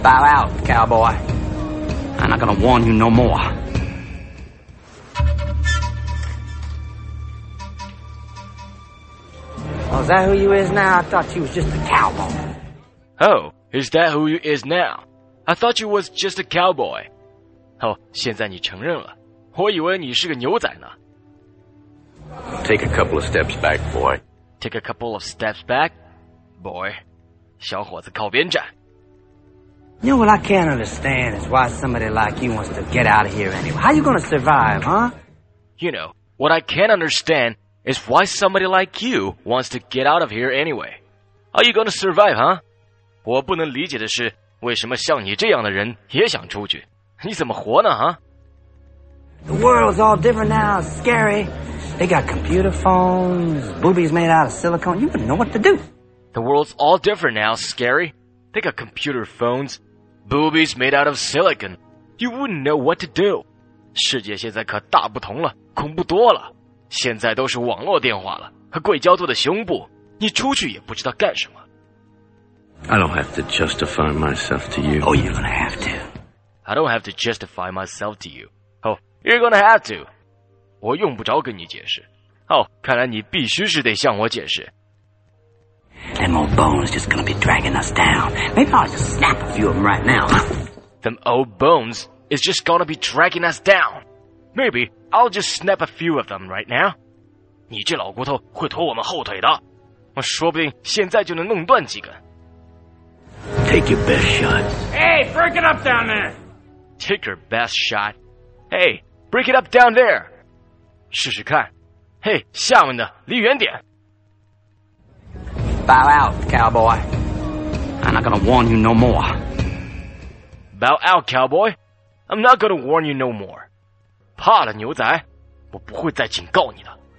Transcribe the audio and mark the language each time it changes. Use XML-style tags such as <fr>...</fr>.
<en>Bow out, cowboy. I'm not gonna warn you no more. Oh, is that who you is now? I thought you was just a cowboy. Oh, is that who you is now? I thought you was just a cowboy.</en> <zh>Oh, 现在你承认了，我以为你是个牛仔呢。</zh> <en>Take a couple of steps back, boy. Take a couple of steps back? Boy,</en> <zh>小伙子靠边站。</zh> <en>You know what I can't understand is why somebody like you wants to get out of here anyway. How you gonna survive, huh? You know, what I can't understand is why somebody like you wants to get out of here anyway. How you gonna survive, huh?</en> <zh>我不能理解的是，为什么像你这样的人也想出去？你怎么活呢，huh?</zh> <en>The world's all different now, it's scary. They got computer phones, boobies made out of silicone. You wouldn't know what to do. The world's all different now, Scary. They got computer phones, boobies made out of silicon. You wouldn't know what to do.</en> <zh>世界现在可大不同了，恐怖多了。现在都是网络电话了，和硅胶做的胸部，你出去也不知道干什么。</zh> <en>I don't have to justify myself to you. Oh, you're gonna have to. I don't have to justify myself to you. Oh, you're gonna have to.</en> <zh>我用不着跟你解释。 Oh, 看来你必须是得向我解释。</zh> <en>Them old bones just gonna be dragging us down. Maybe I'll just snap a few of them right now. Them old bones is just gonna be dragging us down. Maybe I'll just snap a few of them right now.</en> <zh>你这老骨头会拖我们后腿的。我说不定现在就能弄断几根。</zh> <en>Take your best shot. Hey, break it up down there. Take your best shot. Hey, break it up down there.</en> <zh>试试看。嘿，下面的离远点。</zh> <en>Bow out, cowboy. I'm not gonna warn you no more. Bow out, cowboy. I'm not gonna warn you no more.</en> <zh>怕了，牛仔，我不会再警告你了。</zh>